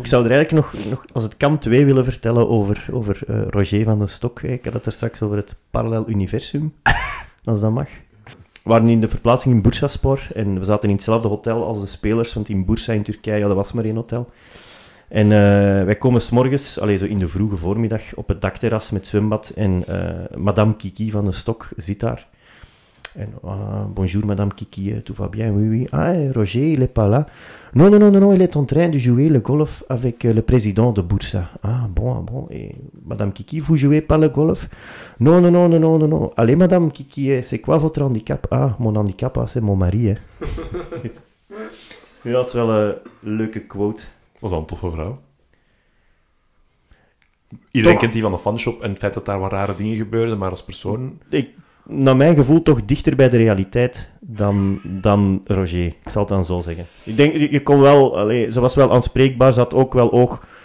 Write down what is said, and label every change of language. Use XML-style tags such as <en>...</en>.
<nl>Ik zou er eigenlijk nog, als het kan, twee willen vertellen over Roger van den Stok. Ik had het er straks over het parallel universum, als dat mag. waren in de verplaatsing in Bursaspor. En we zaten in hetzelfde hotel als de spelers. Want in Bursa in Turkije, ja, dat was maar één hotel. En wij komen 's morgens, allez, zo in de vroege voormiddag, op het dakterras met zwembad. En Madame Kiki van de Stok zit daar.</nl> <fr>En bonjour, Madame Kiki, tout va bien, oui, oui. Ah, Roger, il est pas là. Non, non, non, non, il est en train de jouer le golf avec le président de Bursa. Ah, bon, bon. Et Madame Kiki, vous jouez pas le golf? Non, non, non, non, non, non. Allez, Madame Kiki, c'est quoi votre handicap? Ah, mon handicap, ah, c'est mon mari, hè.</fr> <nl>Ja, dat is wel een leuke quote. Was dat een toffe vrouw? Iedereen kent die van de fanshop en het feit dat daar wat rare dingen gebeurden, maar als persoon... Ik... Naar mijn gevoel toch dichter bij de realiteit dan Roger. Ik zal het dan zo zeggen. Ik denk, je kon wel... Allez, ze was wel aanspreekbaar, ze had ook wel oog.</nl>